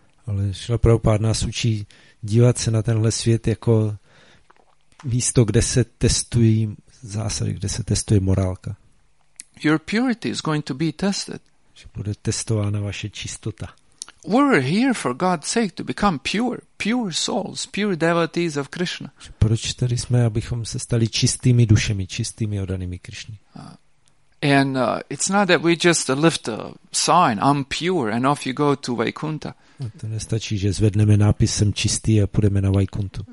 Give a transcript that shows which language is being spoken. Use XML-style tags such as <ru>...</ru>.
<cs>Ale Srila Prabhupada nás učí dívat se na tenhle svět jako místo, kde se testují zásady, kde se testuje morálka.</cs> <en>Your purity is going to be tested.</en> <cs>Že bude testována vaše čistota.</cs> <en>We're here for God's sake to become pure souls, pure devotees of Krishna.</en> <cs>Proč tady jsme, abychom se stali čistými dušemi, čistými oddanými Krišny?</cs> <en>And it's not that we just lift a sign, I'm pure, and off you go to Vaikuntha.</en> <cs>To nestačí, že zvedneme nápis, jsem čistý a půjdeme na Vaikuntu.</cs>